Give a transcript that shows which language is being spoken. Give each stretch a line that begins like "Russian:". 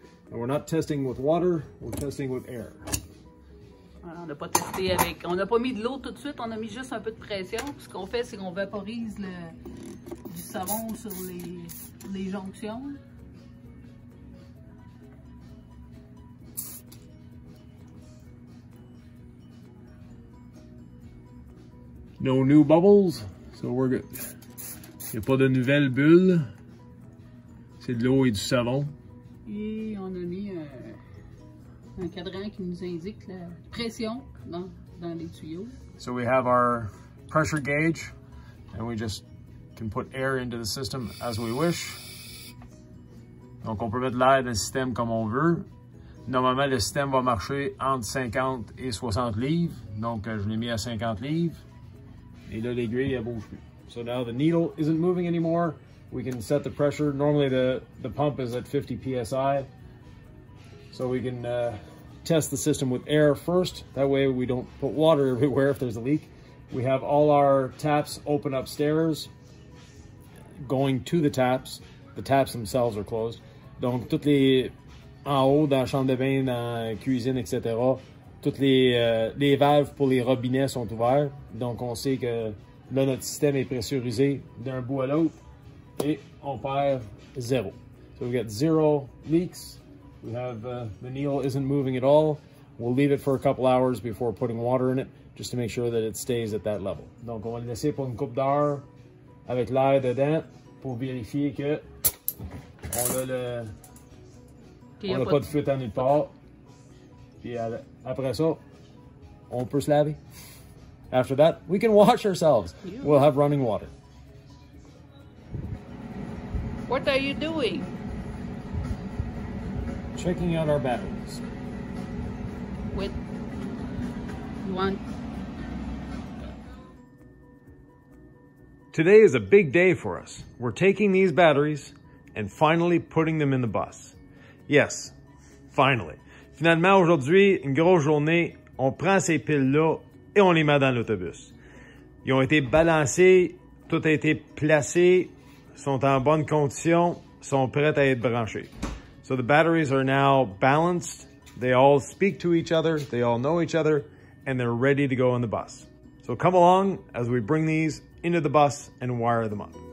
English: And we're not testing with water, we're testing with air.
French: On n'a pas testé avec. On n'a pas mis de l'eau tout de suite, on a mis juste un peu de pression. Ce qu'on fait, c'est qu'on vaporise du savon sur les jonctions.
English: No new bubbles, so we're good.
French: Il n'y a pas de nouvelles bulles. C'est de l'eau et du savon. Et on a mis un cadran qui nous indique la pression dans les tuyaux.
English: So we have our pressure gauge, and we just can put air into the system as we wish.
French: Donc on peut mettre l'air dans le système comme on veut. Normalement, le système va marcher entre 50 et 60 livres. Donc je l'ai mis à 50 livres. Et là, l'aiguille, elle bouge plus.
English: So now the needle isn't moving anymore. We can set the pressure. Normally the pump is at 50 PSI. So we can test the system with air first. That way we don't put water everywhere if there's a leak. We have all our taps open upstairs, going to the taps. The taps themselves are closed.
French: Donc, toutes les en haut, dans la chambre de bain, dans la cuisine, etc., toutes les valves pour les robinets sont ouvertes, donc on sait que là notre système est pressurisé d'un bout à l'autre et on perd zéro.
English: So we got zero leaks. We have the needle isn't moving at all. We'll leave it for a couple hours before putting water in it just to make sure that it stays at that level.
French: Donc on va le laisser pour une couple d'heures avec l'air dedans pour vérifier que on a le on n'a pas de fuite à nulle part. Puis après ça, on peut se laver.
English: After that, we can wash ourselves. Yeah. We'll have running water. What are you doing? Checking out our batteries. With one. Today is a big day for us. We're taking these batteries and finally putting them in the bus. Yes, finally.
French: Finalement, aujourd'hui, une grosse journée, on prend ces piles-là et on les met dans l'autobus. Ils ont été balancés, tout a été placé, sont en bonne condition, sont prêts à être branchés.
English: So the batteries are now balanced, they all speak to each other, they all know each other, and they're ready to go on the bus. So come along as we bring these into the bus and wire them up.